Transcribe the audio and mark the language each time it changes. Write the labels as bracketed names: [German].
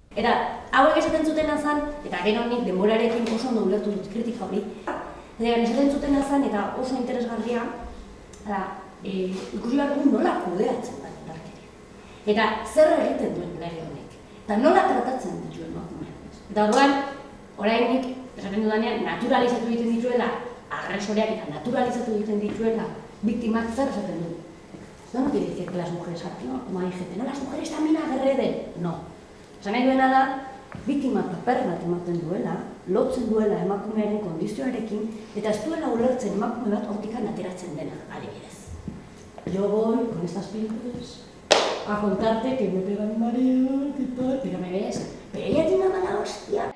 [Basque] Eta hauek esaten zuten azan, eta gero nik denborarekin oso ondo ulertu dut kritika hori, eta esaten zuten azan eta oso interesgarria, eta ikusi behar dugu nola kudeatzen da indarkeria. Eta zer egiten duen lege honek, eta nola tratatzen dituen emakumeak. Daduan, oraindik, esaten dudanean, naturalizatu egiten dituela, agresoreak eta naturalizatu egiten dituela, biktimak zer esaten du. [Spanish] No, no quiere decir que las mujeres hablan, como hay gente, no, las mujeres también agreden. No. [Basque] Esan nahi duena da, biktima paper bat ematen duela, lotzen duela emakumearen kondizioarekin, eta ez duela ulertzen emakume bat hortikan ateratzen dena, adibidez. [Spanish] Yo voy con estas películas a contarte que me pega mi marido, que tal, pero me ves, pero ella tiene una mala hostia.